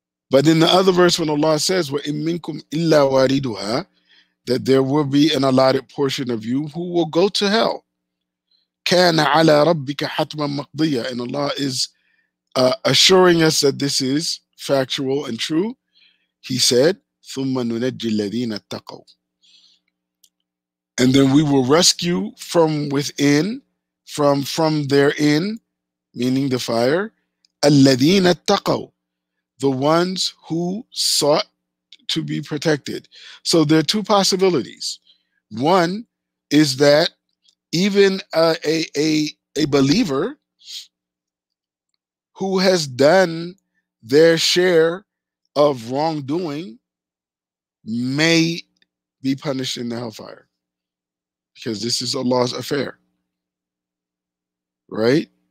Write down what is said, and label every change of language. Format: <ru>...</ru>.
<en>But in the other verse, when Allah says,</en> <ar>وَإِن مِّنكُمْ إِلَّا وَارِدُهَا,</ar> <en>that there will be an allotted portion of you who will go to hell.</en> <ar>كان على ربك حتما مقضية.</ar> <en>And Allah is assuring us that this is factual and true. He said,</en> <ar>ثم ننجي الذين اتقوا.</ar> <en>And then we will rescue from within, from therein, meaning the fire,</en> <ar>الذين اتقوا,</ar> <en>the ones who sought to be protected. So there are two possibilities. One is that even a believer who has done their share of wrongdoing may be punished in the hellfire, because this is Allah's affair, right?</en>